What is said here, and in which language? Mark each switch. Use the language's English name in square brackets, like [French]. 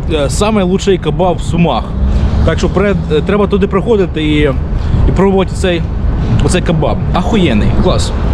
[Russian] Самый лучший кебаб в Сумах. [Ukrainian] Так що треба туди приходити і пробувати цей. [Russian] Вот это кебаб, охуенный, класс.